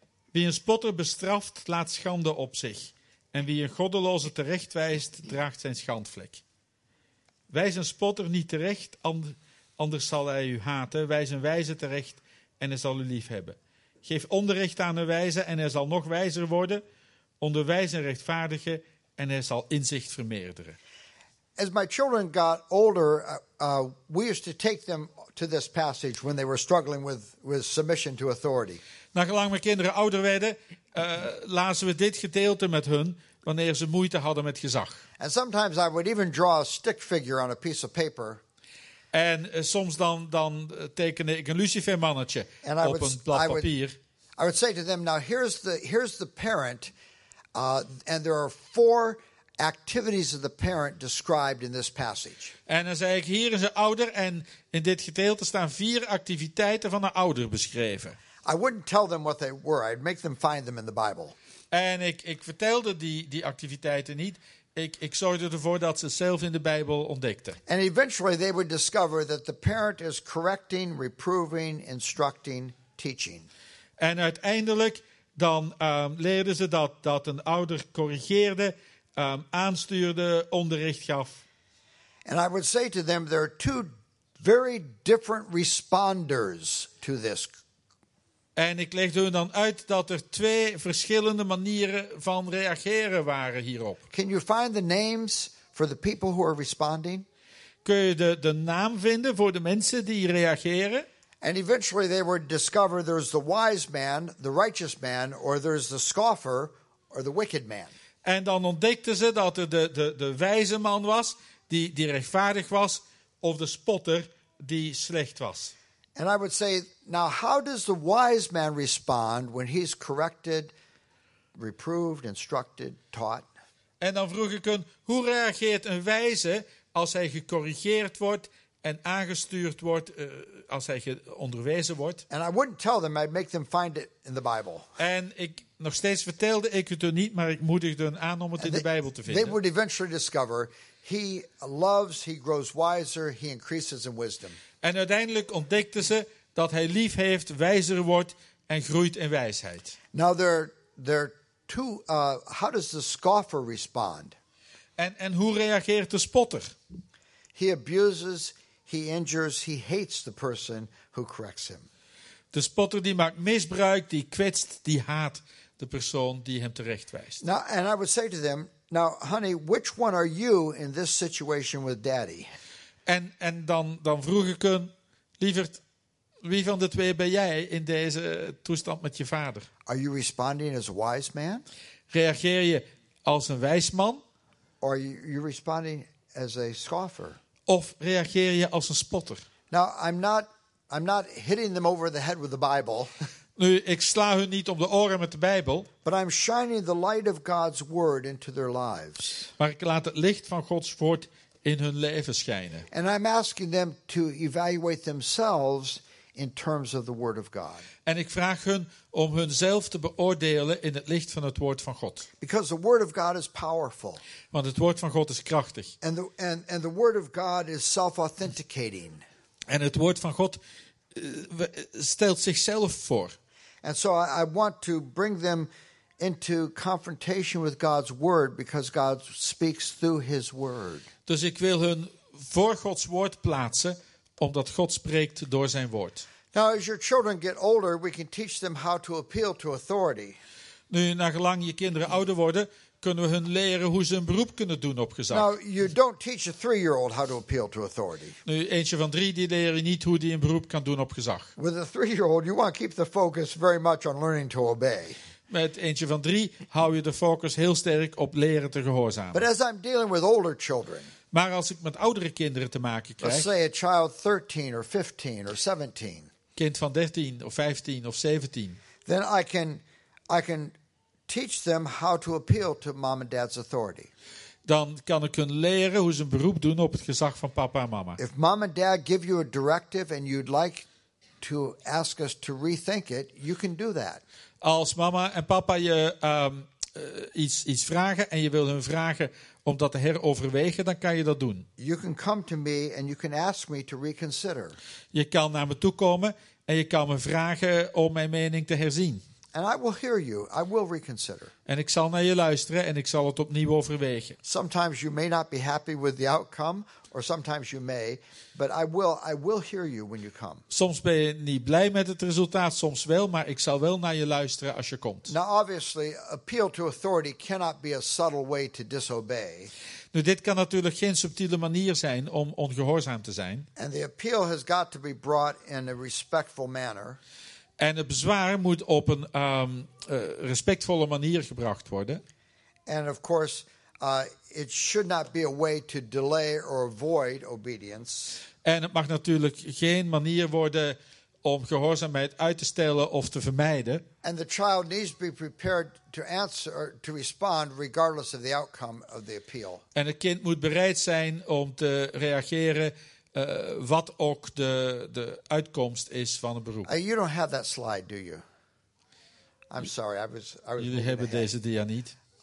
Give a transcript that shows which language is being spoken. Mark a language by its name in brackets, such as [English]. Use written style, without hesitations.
[Dutch] Wie een spotter bestraft, laat schande op zich. En wie een goddeloze terechtwijst, draagt zijn schandvlek. Wijs een spotter niet terecht, anders zal hij u haten. Wijs een wijze terecht en hij zal u lief hebben. Geef onderricht aan een wijze en hij zal nog wijzer worden. Onderwijs een rechtvaardige en hij zal inzicht vermeerderen. [English] As my children got older, we used to take them to this passage when they were struggling with submission to authority. [Dutch] Naargelang mijn kinderen ouder werden, lazen we dit gedeelte met hun wanneer ze moeite hadden met gezag. [English] And sometimes I would even draw a stick figure on a piece of paper. [Dutch] En soms dan tekende ik een lucifermannetje op een blad papier. [English] I would say to them, now here's the parent, and there are four activities of the parent described in this passage. [Dutch] En dan zeg ik, hier is een ouder en in dit gedeelte staan vier activiteiten van een ouder beschreven. [English] I wouldn't tell them what they were. I'd make them find them in the Bible. [Dutch] En ik vertelde die activiteiten niet. Ik zorgde ervoor dat ze zelf in de Bijbel ontdekten. [English] And eventually they would discover that the parent is correcting, reproving, instructing, teaching. [Dutch] En uiteindelijk dan leerden ze dat een ouder corrigeerde, aanstuurde, onderricht gaf. [English] And I would say to them, there are two very different responders to this. [Dutch] En ik legde hun dan uit dat er twee verschillende manieren van reageren waren hierop. [English] Can you find the names for the people who are responding? [Dutch] Kun je de naam vinden voor de mensen die reageren? [English] And eventually they would discover there's the wise man, the righteous man, or there's the scoffer, or the wicked man. [Dutch] En dan ontdekten ze dat er de wijze man was, die rechtvaardig was, of de spotter, die slecht was. [English] And I would say, now how does the wise man respond when he's corrected, reproved, instructed, taught? [Dutch] En dan vroeg ik hun, hoe reageert een wijze als hij gecorrigeerd wordt en aangestuurd wordt, als hij onderwezen wordt? [English] And I wouldn't tell them, I'd make them find it in the Bible. [Dutch] En ik nog steeds vertelde ik het hun niet, maar ik moedigde hun aan om het in de Bijbel te vinden. [English] They would eventually discover, he loves, he grows wiser, he increases in wisdom. [Dutch] En uiteindelijk ontdekten ze dat hij lief heeft, wijzer wordt en groeit in wijsheid. [English] Now there two, how does the scoffer respond? [Dutch] En hoe reageert de spotter? [English] He abuses, he injures, he hates the person who corrects him. [Dutch] De spotter die maakt misbruik, die kwetst, die haat de persoon die hem terechtwijst. [English] Now, and I would say to them, now honey, which one are you in this situation with daddy? [Dutch] En dan vroeg ik hun, lieverd, wie van de twee ben jij in deze toestand met je vader? [English] Are you responding as a wise man? [Dutch] Reageer je als een wijs man? [English] Or are you responding as a scoffer? [Dutch] Of reageer je als een spotter? [English] Now, I'm not hitting them over the head with the Bible. [Dutch] Nu, ik sla hun niet om de oren met de Bijbel. [English] But I'm shining the light of God's word into their lives. [Dutch] Maar ik laat het licht van Gods woord in hun leven schijnen. [English] And I'm asking them to evaluate themselves in terms of the word of God. [Dutch] En ik vraag hun om hunzelf te beoordelen in het licht van het woord van God. [English] Because the word of God is powerful. [Dutch] Want het woord van God is krachtig. [English] And the word of God is self-authenticating. [Dutch] En het woord van God stelt zichzelf voor. [English] And so I want to bring them into confrontation with God's word because God speaks through his word. [Dutch] Dus ik wil hun voor Gods woord plaatsen, omdat God spreekt door zijn woord. [English] Now, as your children get older, we can teach them how to appeal to authority. [Dutch] Nu, naargelang je kinderen ouder worden, kunnen we hun leren hoe ze een beroep kunnen doen op gezag. [English] Now, you don't teach a 3-year-old how to appeal to authority. [Dutch] Nu, eentje van drie, die leren niet hoe die een beroep kan doen op gezag. [English] With a 3-year-old, you want to keep the focus very much on learning to obey. [Dutch] Met eentje van drie hou je de focus heel sterk op leren te gehoorzamen. [English] But as I'm dealing with older children, [Dutch] maar als ik met oudere kinderen te maken krijg, [English] let's say a child 13 or 15 or 17, [Dutch] kind van 13 of 15 of 17, [English] then I can teach them how to appeal to mom and dad's authority. [Dutch] Dan kan ik hun leren hoe ze een beroep doen op het gezag van papa en mama. [English] If mom and dad give you a directive and you'd like to ask us to rethink it, you can do that. [Dutch] Als mama en papa je iets vragen en je wil hun vragen om dat te heroverwegen, dan kan je dat doen. [English] You can come to me and you can ask me to reconsider. [Dutch] Je kan naar me toe komen en je kan me vragen om mijn mening te herzien. [English] And I will hear you. I will reconsider. [Dutch] En ik zal naar je luisteren en ik zal het opnieuw overwegen. [English] Sometimes you may not be happy with the outcome, or sometimes you may, but I will hear you when you come. [Dutch] Soms ben je niet blij met het resultaat, soms wel, maar ik zal wel naar je luisteren als je komt. [English] Now obviously, appeal to authority cannot be a subtle way to disobey. [Dutch] Nu, dit kan natuurlijk geen subtiele manier zijn om ongehoorzaam te zijn. [English] And the appeal has got to be brought in a respectful manner. [Dutch] En het bezwaar moet op een respectvolle manier gebracht worden. [English] And of course, it should not be a way to delay or avoid obedience. [Dutch] En het mag natuurlijk geen manier worden om gehoorzaamheid uit te stellen of te vermijden. [English] And the child needs to be prepared to answer or to respond regardless of the outcome of the appeal. [Dutch] En het kind moet bereid zijn om te reageren wat ook de uitkomst is van een beroep. [English] You don't have that slide, do you? I'm sorry, I was [Dutch] jullie hebben deze dia niet.